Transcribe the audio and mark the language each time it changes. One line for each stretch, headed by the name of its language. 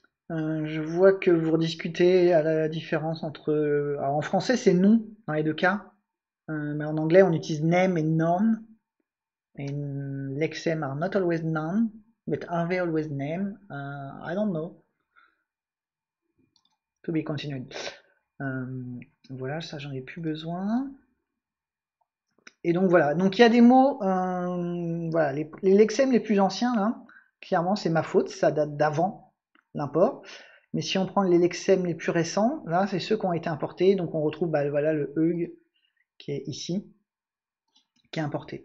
French: Je vois que vous rediscutez à la différence entre. Alors en français, c'est nom dans les deux cas. Mais en anglais, on utilise name et noun.
English: Et lexemes are not always noun, but are they always name? I don't know. To be continued.
French: Voilà, ça j'en ai plus besoin. Et donc voilà, donc il y a des mots, voilà, les lexèmes les plus anciens, là, clairement c'est ma faute, ça date d'avant l'import. Mais si on prend les lexèmes les plus récents, là c'est ceux qui ont été importés, donc on retrouve bah, voilà, le eug qui est ici, qui est importé.